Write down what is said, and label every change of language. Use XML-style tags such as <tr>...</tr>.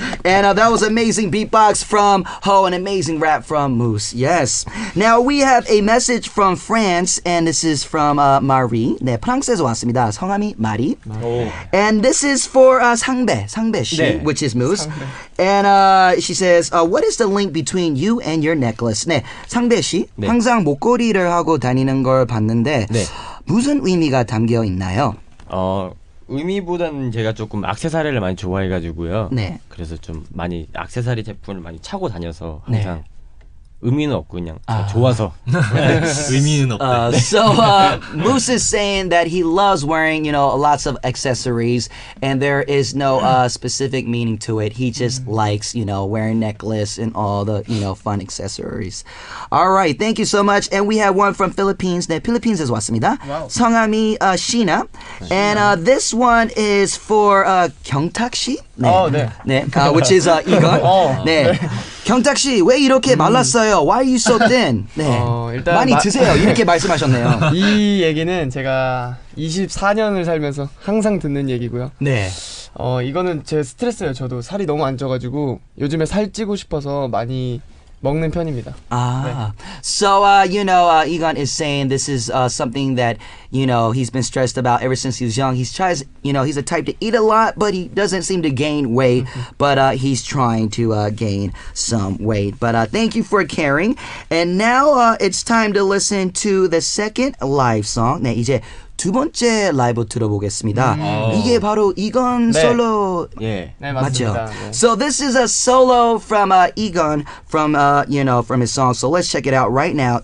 <en>And that was amazing beatbox from Ho an amazing rap from Moose Yes Now we have a message from France and this is from Marie</en> <ko>네, 프랑스에서 왔습니다. 성함이 마리. 오.</ko> <en>And this is for</en> <ko>상배, 상배 씨, 네.</ko> <en>which is Moose.</en> <ko>상배.</ko> <en>And she says, what is the link between you and your necklace?</en> <ko>네, 상배 씨, 네. 항상 목걸이를 하고 다니는 걸 봤는데 네. 무슨 의미가 담겨 있나요? 의미보다는 제가 조금 액세서리를 많이 좋아해가지고요. 네. 그래서 좀 많이 액세서리 제품을 많이 차고 다녀서 항상. 네. 의미는 없고 그냥 좋아서 의미는 없다.</ko> <en>So Moose is saying that he loves wearing, you know, lots of accessories, and there is no specific meaning to it. He just likes, you know, wearing necklace and all the, you know, fun accessories. All right, thank you so much. And we have one from Philippines.</en> <ko>네, 필리핀에서 왔습니다.</ko> <en>성함이 Sheena. And this one is for 경탁 씨.</en> <ko>네. 네.</ko> <en>네. Which is Igor. 네.</en> <ko>경탁 씨, 왜 이렇게 말랐어요?</ko> <en>Why are you so thin?</en> <ko>네. 일단 많이 드세요. 이렇게 말씀하셨네요. 이 얘기는 제가 24년을 살면서 항상 듣는 얘기고요. 네. 이거는 제 스트레스예요. 저도 살이 너무 안 쪄가지고 요즘에 살 찌고 싶어서 많이 먹는 편입니다. 아, 네.</ko> <en>So you know, Egon is saying this is something that you know he's been stressed about ever since he was young. He tries, you know, he's a type to eat a lot, but he doesn't seem to gain weight. but he's trying to gain some weight. But thank you for caring. And now it's time to listen to the second live song.</en> <ko>네, 이제 두 번째 라이브 들어보겠습니다. 이게 바로 이건 네. 솔로 예. 네, 맞습니다. 맞죠? 네.</ko> <en>So this is a solo from Egon from you know from his song. So let's check it out right now.</en>